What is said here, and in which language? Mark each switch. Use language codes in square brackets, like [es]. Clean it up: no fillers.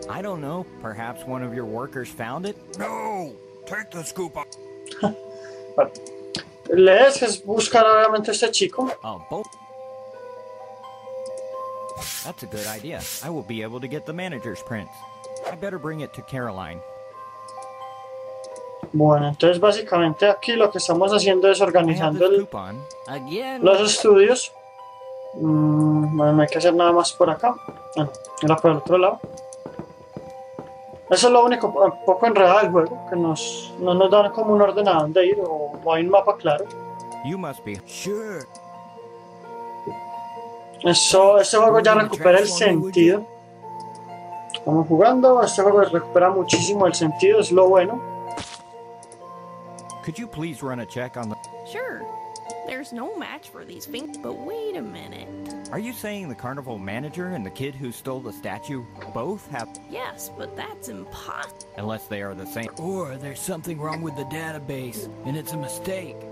[en] I don't know. Perhaps one of your workers found it. No. Take the scoop up. [es] Lees es buscar realmente este chico. [en] That's a good idea. I will be able to get the manager's prints. I better bring it to Caroline. [es] Bueno, entonces básicamente aquí lo que estamos haciendo es organizando los estudios. Bueno, no hay que hacer nada más por acá. Bueno, era por el otro lado. Eso es lo único un poco enredado del juego, que no nos dan como un orden a dónde ir o hay un mapa claro. [en] You must be sure. [es] Eso, este juego ya recupera el sentido. Estamos jugando, este juego recupera muchísimo el sentido, es lo bueno. [en] Could you please run a check on the? Sure. There's no match for these things, but wait a minute. Are you saying the carnival manager and the kid who stole the statue both have? Yes, but that's impossible. Unless they are the same. Or there's something wrong with the database and it's a mistake.